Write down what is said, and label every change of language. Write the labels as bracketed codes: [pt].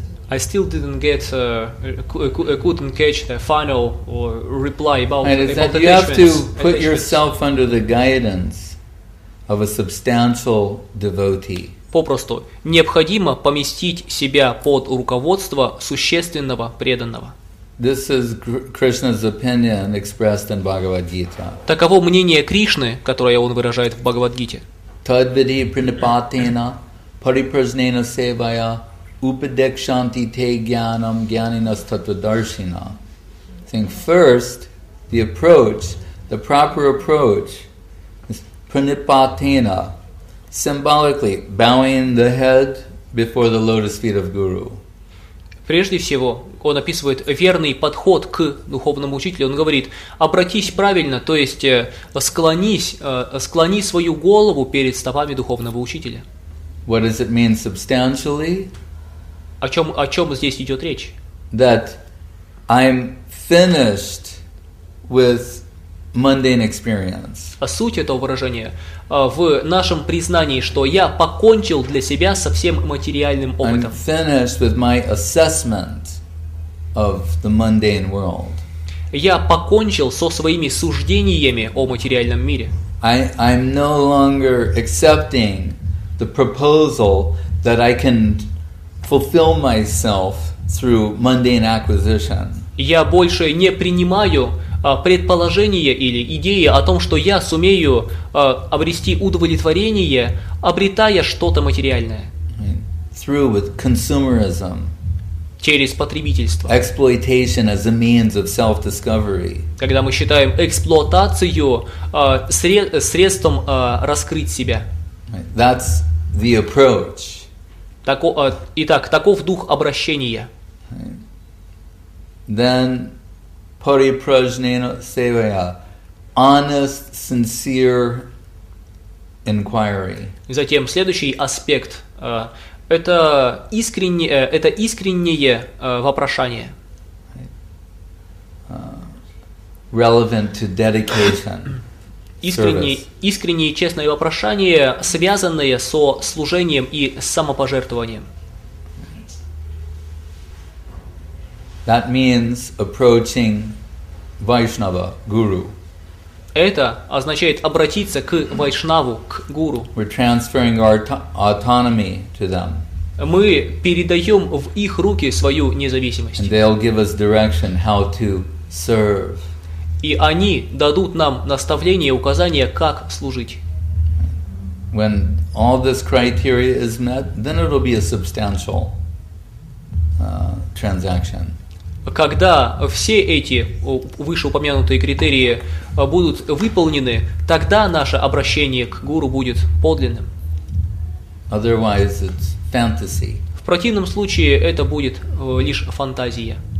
[en] I couldn't catch the final reply about the you have to put yourself under the guidance of a substantial devotee. [ru] Попросту необходимо поместить себя под руководство существенного преданного. [en] This is Krishna's opinion expressed in Bhagavad Gita. [ru] Таково мнение Кришны, которое он выражает в Бхагавад-гите. [sa] Tadvidhi pranipatena pariprajnena sevaya upadekshanti te gyanam gyaninas tattvadarshina. [en] Think first, the approach, the proper approach is pranipatena, symbolically bowing the head before the lotus feet of Guru. [ru] Прежде всего, он описывает верный подход к духовному учителю. Он говорит, обратись правильно, то есть склони свою голову перед стопами духовного учителя. [en] What does it mean substantially? [ru] О чем здесь идет речь? [en] That I'm finished with mundane experience. [ru] А суть этого выражения в нашем признании, что я покончил для себя со всем материальным опытом. [en] I'm finished with my assessment of the mundane world. [ru] Я покончил со своими суждениями о материальном мире. [en] I'm no longer accepting the proposal that I can fulfill myself through mundane acquisition. [ru] Я больше не принимаю предположение или идеи о том, что я сумею обрести удовлетворение, обретая что-то материальное. [en] Through with consumerism. [ru] Через потребительство. [en] Exploitation as a means of self-discovery. [ru] Когда мы считаем эксплуатацию средством раскрыть себя. [en] That's the approach. [ru] Итак, таков дух обращения. [en] Then [sa] parīprajñena sevaya, [en] honest, sincere inquiry. [ru] Затем следующий аспект это искреннее вопрошание. [en] Relevant to dedication. [ru] Искреннее и честное вопрошание, связанное со служением и самопожертвованием. [en] That means approaching Vaishnava, guru. [ru] Это означает обратиться к Вайшнаву, к гуру. [en] We're transferring our autonomy to them. [ru] Мы передаем в их руки свою независимость. [en] And they'll give us direction how to serve. [ru] И они дадут нам наставление, указание, как служить. [en] When all this criteria is met, then it'll be a substantial transaction. [ru] Когда все эти вышеупомянутые критерии будут выполнены, тогда наше обращение к гуру будет подлинным. [en] Otherwise, it's fantasy. [ru] В противном случае это будет лишь фантазия.